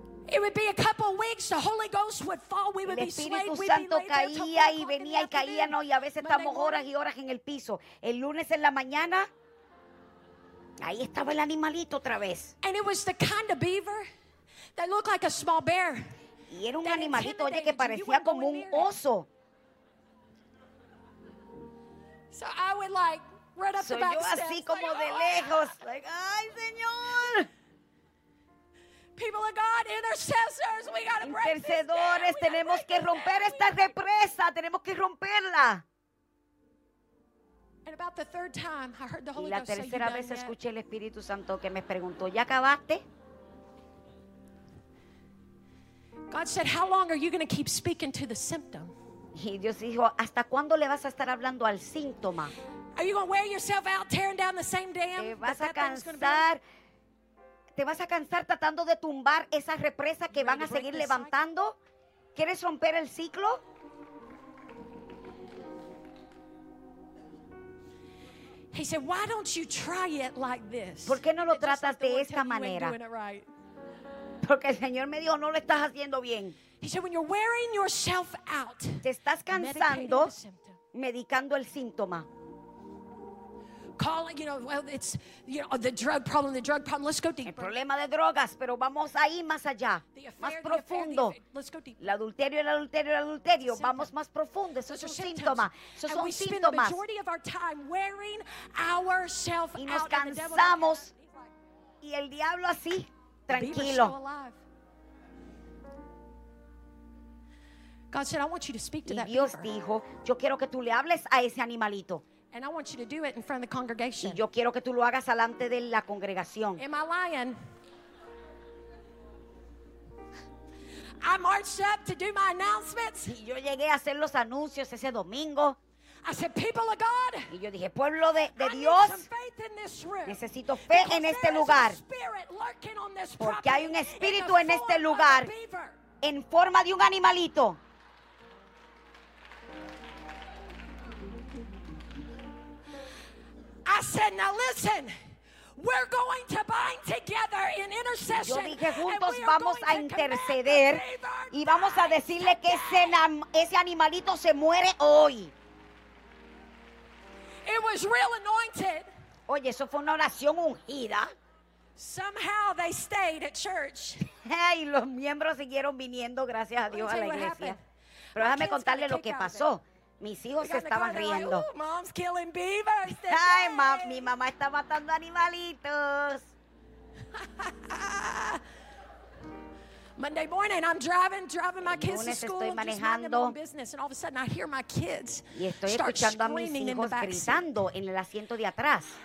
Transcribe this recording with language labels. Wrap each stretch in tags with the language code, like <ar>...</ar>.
<en>It would be a couple of weeks. The Holy Ghost would fall. We would be slain.</en> <es>El Espíritu Santo caía y venía y caía, no. Y a veces estamos horas y horas en el piso. El lunes en la mañana, ahí estaba el animalito otra vez.</es> <en>And it was the kind of beaver that looked like a small bear.</en> <es>Y era un animalito, oye, que parecía como un oso.</es> <en>So I would like run up the back steps.</en> <es>Soy yo así como de lejos, like, ay, Señor.</es> <en>People of God, intercessors, we gotta break this.</en> <es>Intercedores, tenemos que romper esta represa, tenemos que romperla.</es> <en>And about the third time, I heard the Holy Ghost say,</en> <es>"Y la tercera vez escuché el Espíritu Santo que me preguntó, ¿ya acabaste?</es> <en>God said, "How long are you gonna keep speaking to the symptom?"</en> <es>Y Dios dijo, ¿hasta cuándo le vas a estar hablando al síntoma?</es> <en>Are you gonna wear yourself out tearing down the same dam?</en> <es>¿Te vas a cansar? ¿Te vas a cansar tratando de tumbar esa represa que van a seguir levantando? ¿Quieres romper el ciclo?</es> <en>He said, "Why don't you try it like this?"</en> <es>¿Por qué no lo tratas de esta manera? Porque el Señor me dijo, no lo estás haciendo bien.</es> <en>He said, "When you're wearing yourself out,</en> <es>te estás cansando medicando el síntoma."</es> <en>Calling, you know, well, it's, you know, the drug problem. Let's go deeper.</en> <es>El problema de drogas, pero vamos ahí más allá, más profundo.</es> <en>Let's go deep.</en> <es>El adulterio. Vamos más profundo. Eso es un síntoma. Eso son síntomas.</es> <en>And we spend the majority of our time wearing ourselves out.</en> <es>Y nos cansamos. Y el diablo así, tranquilo.</es> <en>God said, "I want you to speak to that."</en> <es>Y Dios dijo, yo quiero que tú le hables a ese animalito.</es> <en>And I want you to do it in front of the congregation.</en> <es>Y yo quiero que tú lo hagas alante de la congregación.</es> <en>Am I lying? I marched up to do my announcements.</en> <es>Y yo llegué a hacer los anuncios ese domingo.</es> <en>I said, "People of God."</en> <es>Y yo dije, pueblo de Dios. Necesito fe en este lugar. Porque hay un espíritu en este lugar. En forma de un animalito.</es> <en>I said, "Now listen, we're going to bind together in intercession."</en> <es>Yo dije, juntos vamos a interceder y vamos a decirle que ese animalito se muere hoy.</es> <en>It was real anointed.</en> <es>Oye, eso fue una oración ungida.</es> <en>Somehow they stayed at church.</en> <es>Y los miembros siguieron viniendo, gracias a Dios, a la iglesia. Pero déjame contarle lo que pasó. Mis hijos se estaban riendo.</es> <en>Mom's killing beavers.</en> <es>Ay, mi mamá está matando animalitos.</es> <en>Monday morning, I'm driving my kids to school.</en> <es>Estoy manejando.</es> <en>And all of a sudden, I hear my kids</en> <es>y estoy escuchando a mis hijos gritando en el asiento de atrás.</es>